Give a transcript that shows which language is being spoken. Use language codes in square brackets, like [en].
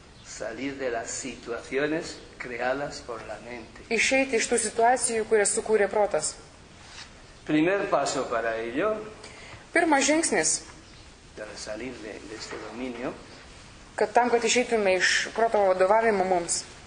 [es] Salir de las situaciones creadas por la mente. [lt] Išeiti iš tų situacijų, kurias sukūrė protas. [es] Primer paso para ello. [lt] Pirmas žingsnis. [es] Para salir de este dominio. [lt] Kad tam, kad išeitume iš proto vadovavimo mums.